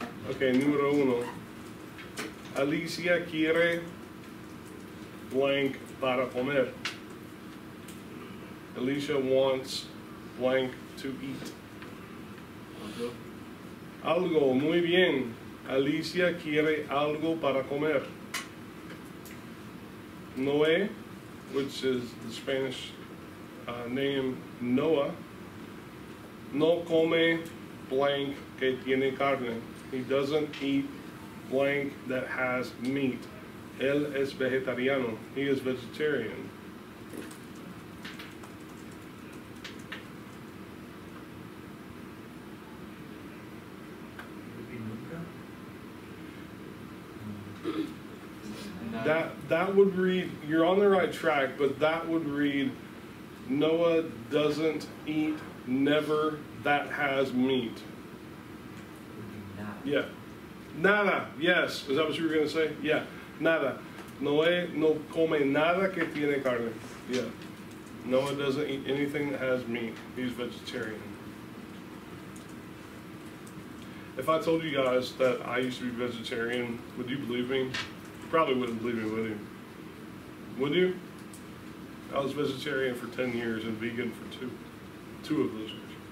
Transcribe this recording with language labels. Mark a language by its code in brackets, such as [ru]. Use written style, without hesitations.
[es] Okay, numero uno. Alicia quiere blank para comer. [en] Alicia wants blank to eat. [es] Algo, muy bien. Alicia quiere algo para comer. [en] Noé, which is the Spanish name Noah, [es] no come blank que tiene carne. [en] He doesn't eat blank that has meat. [es] Él es vegetariano. [en] He is vegetarian. That would read, you're on the right track, but that would read, Noah doesn't eat never that has meat. Nada. Yeah. Nada, yes. Is that what you were going to say? Yeah. Nada. [es] Noé no come nada que tiene carne. [en] Yeah. Noah doesn't eat anything that has meat. He's vegetarian. If I told you guys that I used to be vegetarian, would you believe me? You probably wouldn't believe me, would you? Would you? I was vegetarian for 10 years and vegan for two of those years.